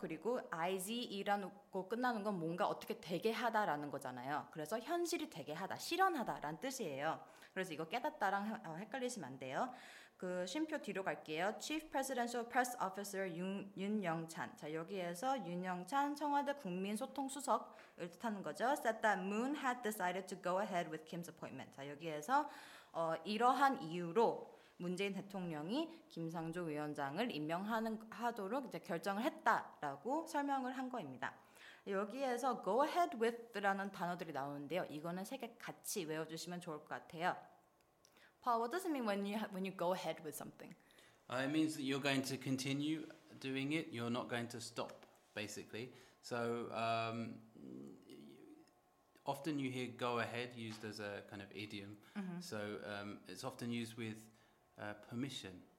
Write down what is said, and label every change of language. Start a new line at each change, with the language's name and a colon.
Korean: 그리고 IZE라는 거 끝나는 건 뭔가 어떻게 되게 하다라는 거잖아요. 그래서 현실이 되게 하다, 실현하다라는 뜻이에요. 그래서 이거 깨닫다랑 헷갈리시면 안 돼요. 그 쉼표 뒤로 갈게요.
English: Chief Presidential Press Officer
Korean: 윤영찬. 자, 여기에서 윤영찬 청와대 국민소통수석을 뜻하는 거죠.
English: Said that Moon had decided to go ahead with Kim's appointment.
Korean: 자, 여기에서 이러한 이유로 문재인 대통령이 김상조 위원장을 임명하도록 이제 결정을 했다라고 설명을 한 거입니다. 여기에서 go ahead with라는 단어들이 나오는데요. 이거는 세 개 같이 외워주시면 좋을 것 같아요.
English: Paul, what does it mean when you go ahead with something? It means that you're going to continue doing it. You're not going to stop, basically. So often you hear go ahead used as a kind of idiom. Mm-hmm. So it's often used with permission.